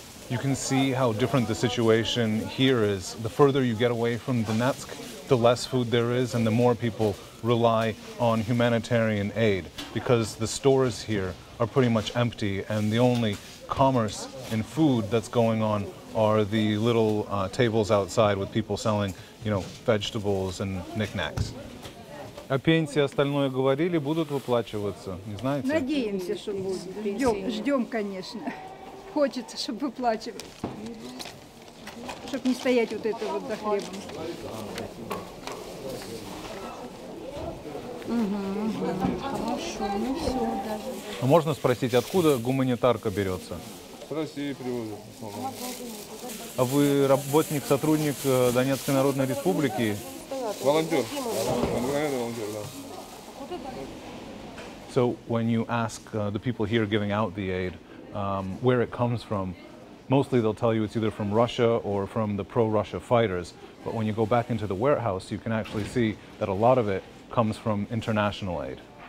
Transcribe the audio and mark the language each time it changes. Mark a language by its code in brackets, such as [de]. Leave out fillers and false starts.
[en] You can see how different the situation here is. The further you get away from Donetsk, the less food there is and the more people rely on humanitarian aid, because the stores here are pretty much empty and the only commerce and food that's going on are the little tables outside with people selling, you know, vegetables and knickknacks. [ru] А пенсии остальное говорили, будут выплачиваться, не знаете? Надеемся, что будут. Ждем, ждем, конечно. Хочется, чтобы выплачивали. Чтобы не стоять вот это вот за хлебом. А можно спросить, откуда гуманитарка берется? В России привозят в основном. А вы работник, сотрудник Донецкой Народной Республики? Волонтер. Волонтер, волонтер, да. [en] So when you ask the people here giving out the aid where it comes from, mostly they'll tell you it's either from Russia or from the pro-Russia fighters. But when you go back into the warehouse, you can actually see that a lot of it comes from international aid.